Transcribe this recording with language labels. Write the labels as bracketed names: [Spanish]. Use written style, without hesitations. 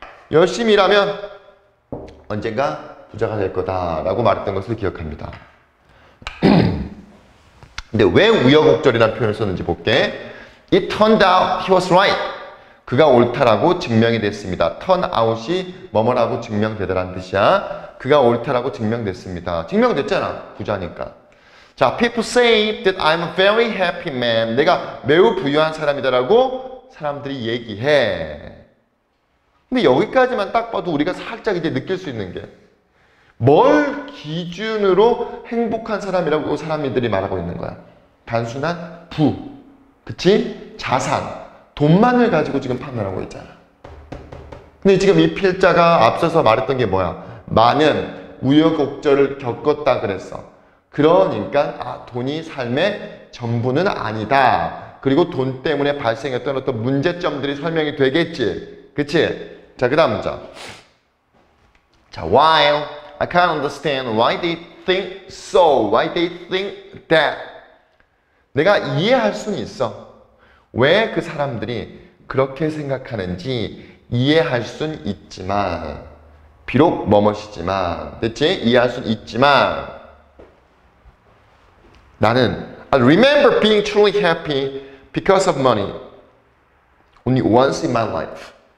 [Korean] 열심히 일하면 언젠가 부자가 될 거다 라고 말했던 것을 기억합니다. 근데 왜 우여곡절이라는 표현을 썼는지 볼게. [English] It turned out he was right. [Korean] 그가 옳다라고 증명이 됐습니다. turn out이 뭐뭐라고 증명되더란 뜻이야. 그가 옳다라고 증명됐습니다. 증명됐잖아. 부자니까. [English] 자, people say that I'm a very happy man. [Korean] 내가 매우 부유한 사람이다라고 사람들이 얘기해. 근데 여기까지만 딱 봐도 우리가 살짝 이제 느낄 수 있는 게 뭘 기준으로 행복한 사람이라고 사람들이 말하고 있는 거야? 단순한 부, 그치? 자산, 돈만을 가지고 지금 판단하고 있잖아. 근데 지금 이 필자가 앞서서 말했던 게 뭐야? 많은 우여곡절을 겪었다 그랬어. 그러니까 아, 돈이 삶의 전부는 아니다. 그리고 돈 때문에 발생했던 어떤 문제점들이 설명이 되겠지. 그치? 자, 그 다음 문장. [English] 자, while I can't understand why they think so, why they think that. [Korean] 내가 이해할 수는 있어. 왜 그 사람들이 그렇게 생각하는지 이해할 수는 있지만, 비록 뭐뭐시지만, 됐지? 이해할 수는 있지만, 나는 [English] I remember being truly happy because of money only once in my life.